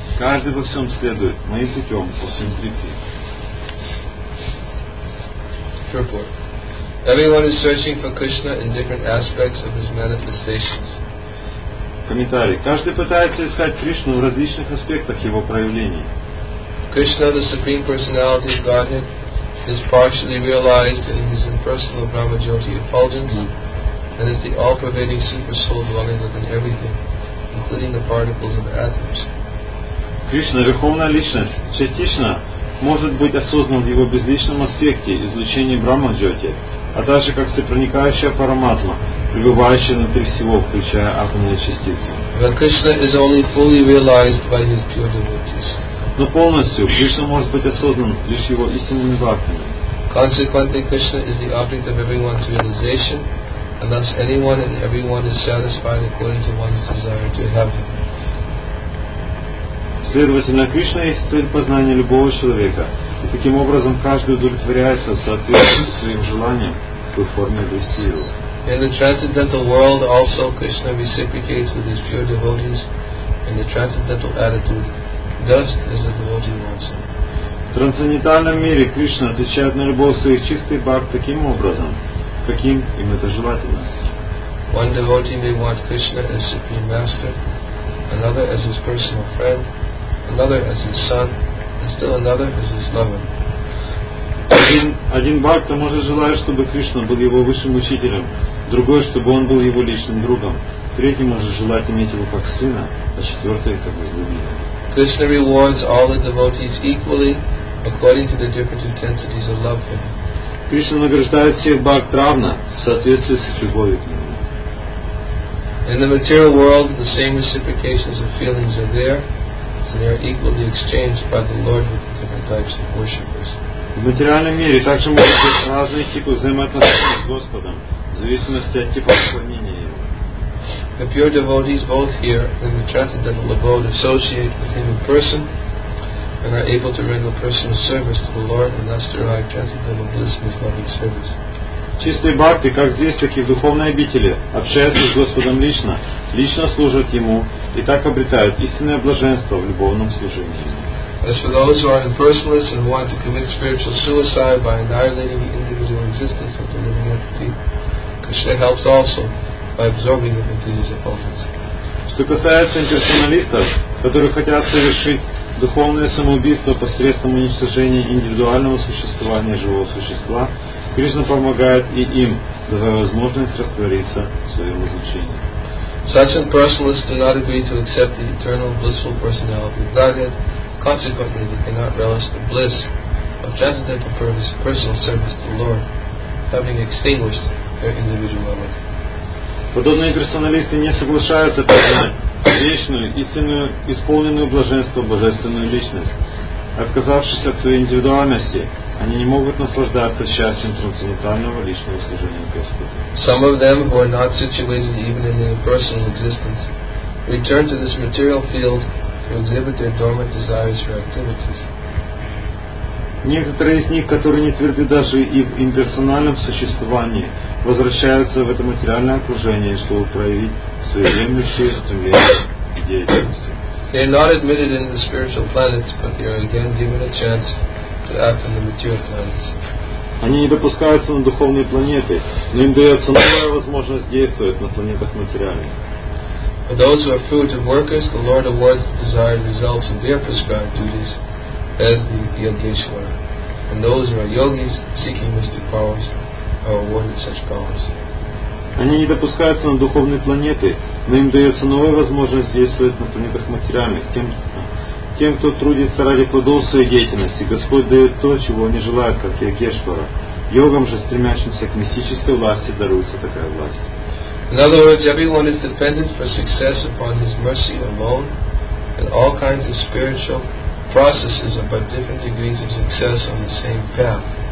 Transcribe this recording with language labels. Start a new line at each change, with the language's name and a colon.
Russian: Каждый во всем следует моим путем, по всем пути.
English: Everyone is searching for Krishna in different aspects of his manifestations.
Russian: Комментарий. Каждый пытается искать Кришну в различных аспектах его проявлений.
English: Krishna, the Supreme Personality of Godhead, is partially realized in his impersonal Brahmajyoti effulgence, and is the all-pervading super soul dwelling within everything, including the particles of atoms.
Russian: Krishna, Верховная Личность, частично может быть осознан в его безличном аспекте излучения Брахма-джоти, а также как всепроникающая параматма, пребывающая внутри всего, включая атомные частицы.
English: Krishna is only fully realized by his pure devotees.
Russian: Но полностью Кришна может быть осознан лишь его истинными бхактами.
English: Consequently, Krishna is the object of everyone's realization, and thus anyone and everyone is satisfied according to one's desire to have him.
Russian: Следовательно, Кришна есть цель познания любого человека, и таким образом каждый удовлетворяется в соответствии со своим желанием в форме вести его.
English: In the transcendental world also, Krishna reciprocates with his pure devotees in the transcendental attitude, just as a devotee wants him.
Russian: В трансцендентальном мире Кришна отвечает на любовь своих чистых бхакт таким образом, каким им это желательно.
English: One devotee may want Krishna as Supreme Master, another as his personal friend, another as his son, and still another as his lover.
Russian: Один бхакта может желать, чтобы Кришна был его высшим учителем, другой, чтобы он был его личным другом, третий может желать иметь его как сына, а четвертый как возлюбленного.
English: Krishna rewards all the devotees equally according to the different intensities of love for him.
Russian: Кришна награждает всех бхакт равно в соответствии с любовью к нему.
English: In the material world, the same reciprocations of feelings are there, and they are equally exchanged by the Lord with the different types of worshippers.
Russian: В материальном мире также могут быть разные типы взаимоотношений с Господом, в зависимости от типа поклонения Его.
English: The pure devotees both here and the transcendental abode associate with Him in person and are able to render personal service to the Lord and thus derive transcendental bliss in His loving service.
Russian: Чистые бхакты, как здесь, так и в духовной обители, общаются с Господом лично, лично служат Ему и так обретают истинное блаженство в любовном служении.
English: As for those who are impersonalists and want to commit spiritual suicide by annihilating the individual existence of the living entity, Krishna helps also by absorbing them into his effulgence.
Russian: Что касается имперсоналистов, которые хотят совершить духовное самоубийство посредством уничтожения индивидуального существования живого существа, Кришна помогает и им, давая возможность раствориться в своем излучении.
English: Such impersonalists do not agree to accept the eternal blissful personality of Godhead. Consequently, they cannot relish the bliss of transcendental purpose, personal service to the Lord, having extinguished their individuality.
Russian: Подобные персоналисты не соглашаются признать вечную, истинную, исполненную блаженство, божественную личность. Отказавшись от своей индивидуальности, они не могут наслаждаться счастьем трансцендентального личного служения Господу.
English: Some of them who are not situated even in their personal existence return to this material field to exhibit their dormant desires for activities.
Russian: Некоторые из них, которые не тверды даже и в имперсональном существовании, возвращаются в это материальное окружение, чтобы проявить свои земные стремления и деятельности.
English: They are not admitted in the spiritual planets, but they are again given a chance to act in the material planets.
Russian: Они не допускаются на духовные планеты, но им дается новая возможность действовать на планетах материальных.
English: For those who are fruit of workers, the Lord awards the desired results of their prescribed duties as the Yogeshwara. And those who are yogis seeking mystic powers are awarded such powers.
Russian: Они не допускаются на духовные планеты, но им дается новая возможность действовать на планетах материальных. Тем, кто трудится ради плодов своей деятельности, Господь дает то, чего они желают, как Йогешвара. Йогам же, стремящимся к мистической власти, даруется такая власть.
English: In other words, everyone is dependent for success upon his mercy alone, and all kinds of spiritual processes are but different degrees of success on the same path.